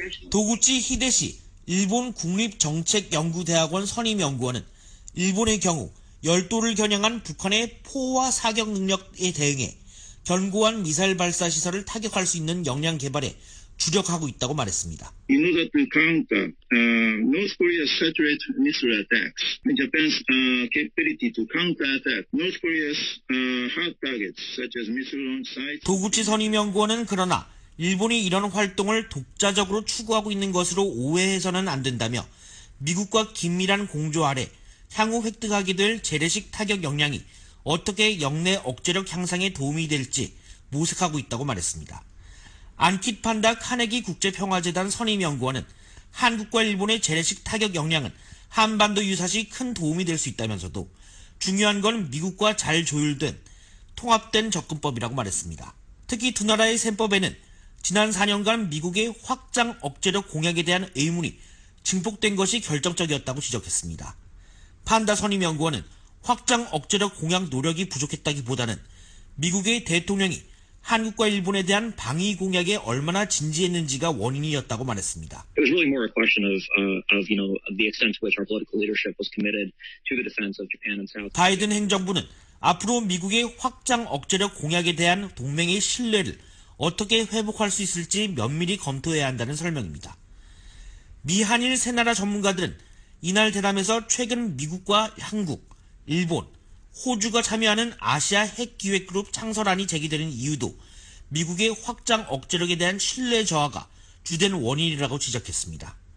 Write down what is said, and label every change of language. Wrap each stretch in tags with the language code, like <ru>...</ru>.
<ko>도구치 히데시 일본 국립정책연구대학원 선임연구원은 일본의 경우 열도를 겨냥한 북한의 포와 사격 능력에 대응해 견고한 미사일 발사 시설을 타격할 수 있는 역량 개발에 주력하고 있다고 말했습니다.</ko> <en>You know that we count North Korea's saturated missile attacks and Japan's capability to counterattack North Korea's hard targets such as missile launch sites.</en> <ko>도구치 선임연구원은 그러나 일본이 이런 활동을 독자적으로 추구하고 있는 것으로 오해해서는 안 된다며 미국과 긴밀한 공조 아래 향후 획득하게 될 재래식 타격 역량이 어떻게 역내 억제력 향상에 도움이 될지 모색하고 있다고 말했습니다. 안킷 판다 카네기 국제평화재단 선임연구원은 한국과 일본의 재래식 타격 역량은 한반도 유사시 큰 도움이 될 수 있다면서도 중요한 건 미국과 잘 조율된 통합된 접근법이라고 말했습니다. 특히 두 나라의 셈법에는 지난 4년간 미국의 확장 억제력 공약에 대한 의문이 증폭된 것이 결정적이었다고 지적했습니다. 판다 선임연구원은 확장 억제력 공약 노력이 부족했다기보다는 미국의 대통령이 한국과 일본에 대한 방위 공약에 얼마나 진지했는지가 원인이었다고 말했습니다.</ko> <en>It was really more a question of, you know, the extent to which our political leadership was committed to the defense of Japan and South.</en> <ko>바이든 행정부는 앞으로 미국의 확장 억제력 공약에 대한 동맹의 신뢰를 어떻게 회복할 수 있을지 면밀히 검토해야 한다는 설명입니다. 미 한일 세 나라 전문가들은 이날 대담에서 최근 미국과 한국, 일본, 호주가 참여하는 아시아 핵기획그룹 창설안이 제기되는 이유도 미국의 확장 억제력에 대한 신뢰 저하가 주된 원인이라고 지적했습니다.</ko>